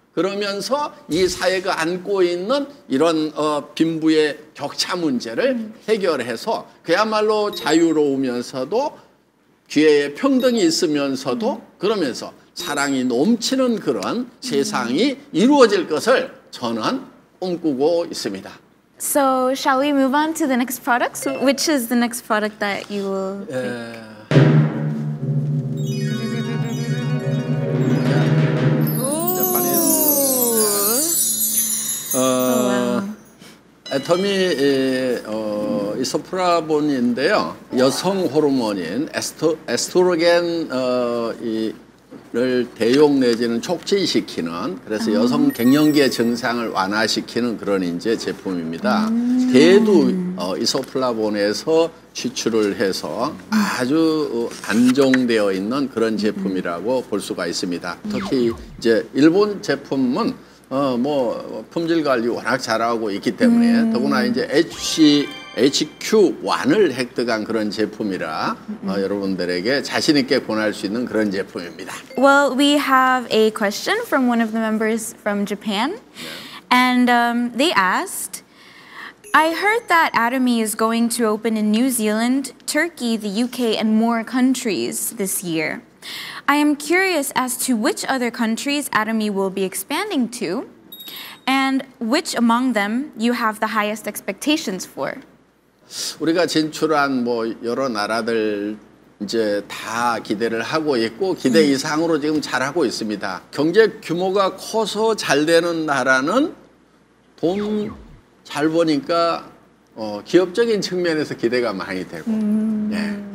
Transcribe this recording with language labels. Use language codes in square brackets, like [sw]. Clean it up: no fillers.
[ko] 그러면서 이 사회가 안고 있는 이런 빈부의 격차 문제를 해결해서 그야말로 자유로우면서도 기회의 평등이 있으면서도 그러면서 사랑이 넘치는 그런 세상이 이루어질 것을 저는 꿈꾸고 있습니다. [en] So shall we move on to the next product? So which is the next product that you will pick? [ko] 애터미 이소프라본인데요. 여성 호르몬인 에스트로겐을 대용 내지는 촉진시키는, 그래서 여성 갱년기의 증상을 완화시키는 그런 이제 제품입니다. 대두 이소플라본에서 추출을 해서 아주 안정되어 있는 그런 제품이라고 볼 수가 있습니다. 특히 이제 일본 제품은 품질 관리 워낙 잘하고 있기 때문에 더구나 이제 HQ1을 획득한 그런 제품이라 여러분들에게 자신 있게 권할 수 있는 그런 제품입니다. [en] Well, we have a question from one of the members from Japan. Yeah. And they asked, I heard that Atomy is going to open in New Zealand, Turkey, the UK and more countries this year. I am curious as to which other countries Atomy will be expanding to and which among them you have the highest expectations for. [ko] 우리가 진출한 뭐 여러 나라들 이제 다 기대를 하고 있고 기대 이상으로 지금 잘하고 있습니다. 경제 규모가 커서 잘 되는 나라는 돈 잘 버니까 기업적인 측면에서 기대가 많이 되고 예.